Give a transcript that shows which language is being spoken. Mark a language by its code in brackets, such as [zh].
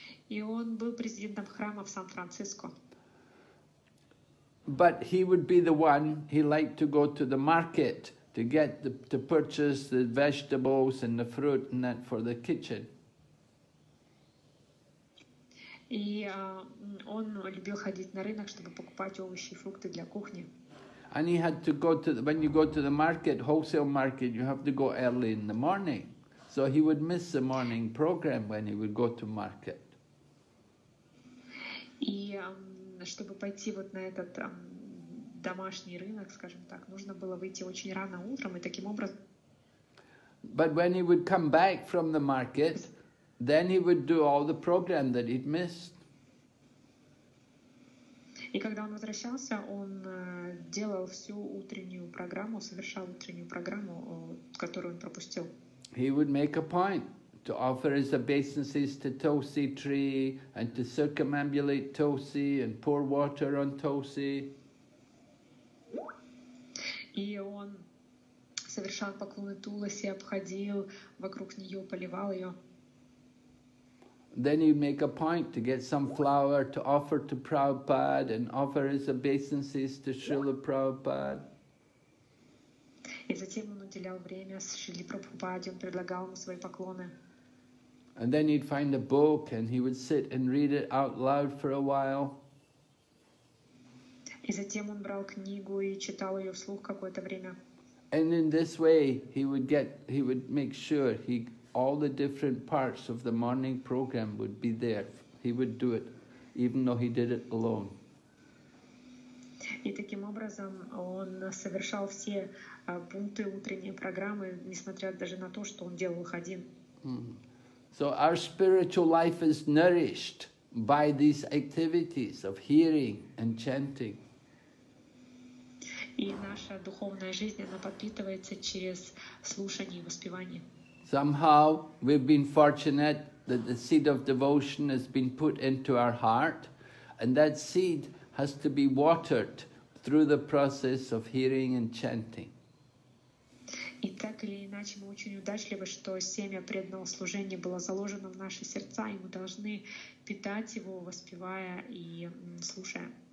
[ru] И он был президентом храма в Сан-Франциско. [en] But he would be the one, he liked to go to the market to get the, to purchase the vegetables and the fruit and that for the kitchen. [ru] И он любил ходить на рынок, чтобы покупать овощи и фрукты для кухни. [en] And he had to go to the, when you go to the market, wholesale market, you have to go early in the morning. So he would miss the morning program when he would go to market. [ru] И чтобы пойти вот на этот домашний рынок, скажем так, нужно было выйти очень рано утром, и таким образом. [en] But when he would come back from the market, then he would do all the program that he'd missed. [ru] И когда он возвращался, он делал всю утреннюю программу, совершал утреннюю программу, которую он пропустил. [en] He would make a point to offer his obeisances to Tosi tree and to circumambulate Tosi and pour water on Tosi. [ru] И он совершал поклоны Туласи, обходил вокруг нее, поливал ее. [en] Then he'd make a point to get some flower to offer to Prabhupada and offer his obeisances to Srila Prabhupada. [ru] И затем он уделял время Шриле Прабхупаде, он предлагал ему свои поклоны. [en] And then he'd find a book and he would sit and read it out loud for a while. [ru] И затем он брал книгу и читал ее вслух какое-то время. [en] And in this way he would make sure all the different parts of the morning program would be there. He would do it, even though he did it alone. [ru] И таким образом он совершал все пункты утренней программы, несмотря даже на то, что он делал их один. [en] So our spiritual life is nourished by these activities of hearing and chanting. [ru] И наша духовная жизнь, она подпитывается через слушание и воспевание. [en] Somehow we've been fortunate that the seed of devotion has been put into our heart, and that seed has to be watered through the process of hearing and chanting. [ru] И так или иначе мы очень удачливы, что семя преданного служения было заложено в наши сердца, и мы должны питать его, воспевая и слушая.